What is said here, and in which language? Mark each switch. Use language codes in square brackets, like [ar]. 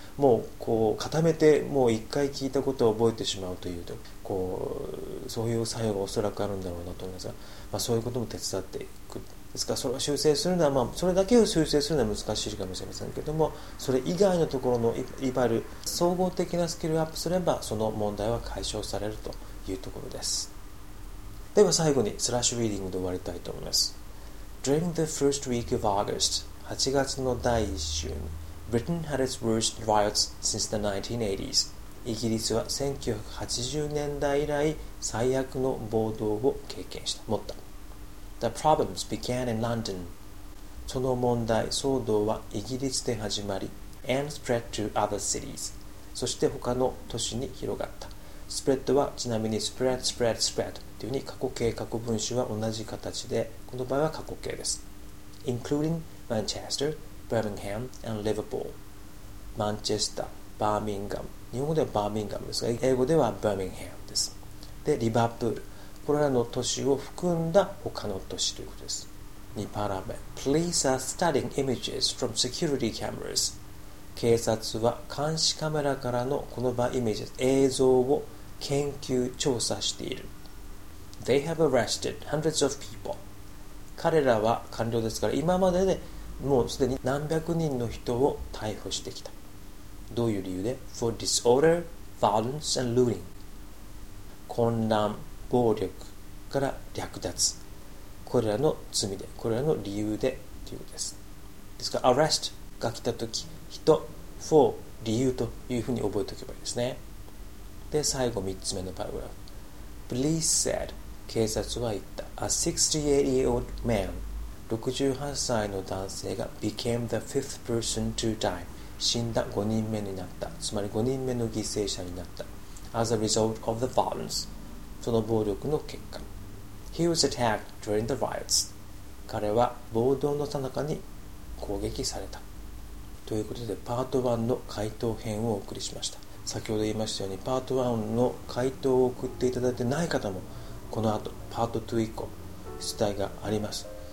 [ja] もうこう固めてもう一回聞いたことを覚えてしまうという、こうそういう作用がおそらくあるんだろうなと思いますが、まあ、そういうことも手伝っていくですから、それを修正するのは、まあ、それだけを修正するのは難しいかもしれませんけども、それ以外のところのいわゆる総合的なスキルアップすればその問題は解消されるというところです。では最後にスラッシュリーディングで終わりたいと思います。 [en] During the first week of August [ja] 8月の第1週に [en] Britain had its worst riots since the 1980s。 [ja] イギリスは1980年代以来最悪の暴動を経験した、もった。 [en] The problems began in London。 [ja] その問題、騒動はイギリスで始まり、 [en] and spread to other cities。 [ja] そして他の都市に広がった。スプレッドはちなみにスプレッド、スプレッド、スプレッドというふうに過去形、過去分詞は同じ形で、この場合は過去形です。 [en] Including Manchester, Birmingham and Liverpool。 [ja] マンチェスター、バーミンガム、日本語ではバーミンガムですが、英語ではバーミンガムです。で、リバプール、これらの都市を含んだ他の都市ということです。 2パラ目、 [en] Police are studying images from security cameras。 [ja] 警察は監視カメラからのこの場合イメージ、映像を研究調査している。 [en] They have arrested hundreds of people。 [ja] 彼らは官僚ですから、今までで、ね、もうすでに何百人の人を逮捕してきた。どういう理由で ？ [en] For disorder, violence and looting。 [ja] 混乱、暴力から略奪。これらの罪で、これらの理由でということです。ですから arrest が来た時、人、for、理由というふうに覚えておけばいいですね。で、最後3つ目のパラグラフ。 [en] Police said、 [ja] 警察は言った。 [en] A 68-year-old man、 [ja] 68歳の男性が [en] became the fifth person to die、 [ja] 死んだ5人目になった。つまり5人目の犠牲者になった。 [en] As a result of the violence、 [ja] その暴力の結果。 [en] He was attacked during the riots。 [ja] 彼は暴動の最中に攻撃された。ということで、パート1の回答編をお送りしました。先ほど言いましたように、パート1の回答を送っていただいてない方も、この後、パート2以降、出題があります。